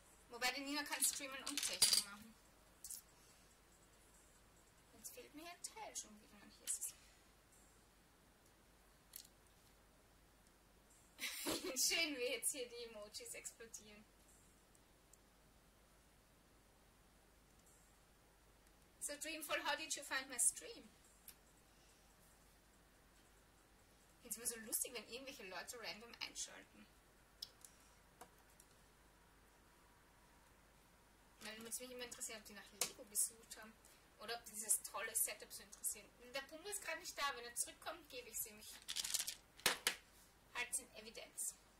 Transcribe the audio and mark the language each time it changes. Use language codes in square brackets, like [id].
[de] Wobei die Nina kann streamen und Technik machen. Fehlt mir ein Teil schon wieder. Und hier ist es. Schön, wie jetzt hier die Emojis explodieren. [en] So, Dreamfall, how did you find my stream? [de] Ich finde es immer so lustig, wenn irgendwelche Leute random einschalten. Weil es mich immer interessiert, ob die nach Lego gesucht haben. Oder ob dieses tolle Setup so interessiert. Der Pumba ist gerade nicht da. Wenn er zurückkommt, gebe ich sie mich. Halt in Evidenz.